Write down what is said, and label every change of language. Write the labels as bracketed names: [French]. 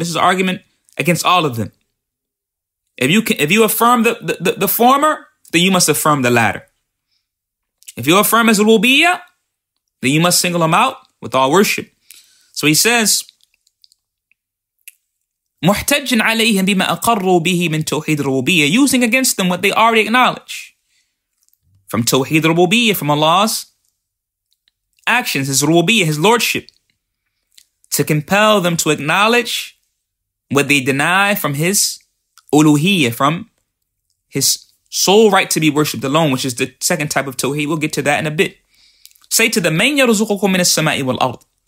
[English] This is an argument against all of them. If you affirm the former, then you must affirm the latter. If you affirm as al-Rububiyyah, then you must single them out with all worship. So he says, [Arabic] مُحْتَجٍ عَلَيْهِمْ بِمَا أَقَرُّوا بِهِ مِنْ تَوْحِيدِ الرُّبُوبِيَّةِ. [English] Using against them what they already acknowledge from Tawheed al-Rububiyyah, from Allah's actions, His Rububiyyah, His Lordship, to compel them to acknowledge what they deny from His Uluhiyyah, from His sole right to be worshipped alone, which is the second type of Tawheed. We'll get to that in a bit. Say to them, [Arabic] مَنْ يَرُزُقُكُمْ مِنَ السَّمَاءِ وَالْأَرْضِ.